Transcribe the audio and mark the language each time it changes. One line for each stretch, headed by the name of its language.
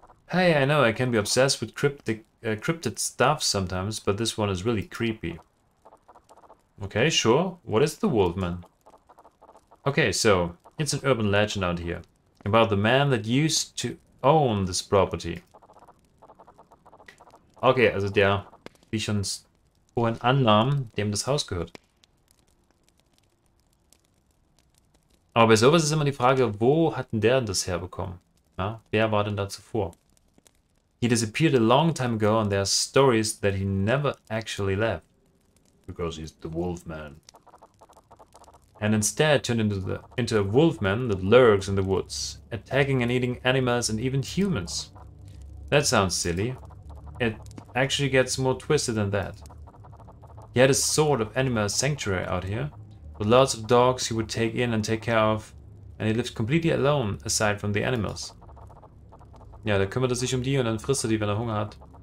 English: Hey, I know I can be obsessed with cryptid stuff sometimes, but this one is really creepy. Okay, sure, what is the Wolfman? Okay, so, it's an urban legend out here. About the man that used to own this property.
German: Okay, also der, wie ich uns vorhin annahm, dem das Haus gehört. Aber bei sowas ist immer die Frage, wo hat denn der das herbekommen? Ja, wer war denn da zuvor?
English: He disappeared a long time ago and there are stories that he never actually left. Because he's the Wolfman. And instead turned into a wolfman that lurks in the woods, attacking and eating animals and even humans. That sounds silly. It actually gets more twisted than that. He had a sort of animal sanctuary out here, with lots of dogs he would take in and take care of, and he lived completely alone aside from the animals.
German: Ja, da kümmert er sich um die und dann frisst er die, wenn er Hunger hat.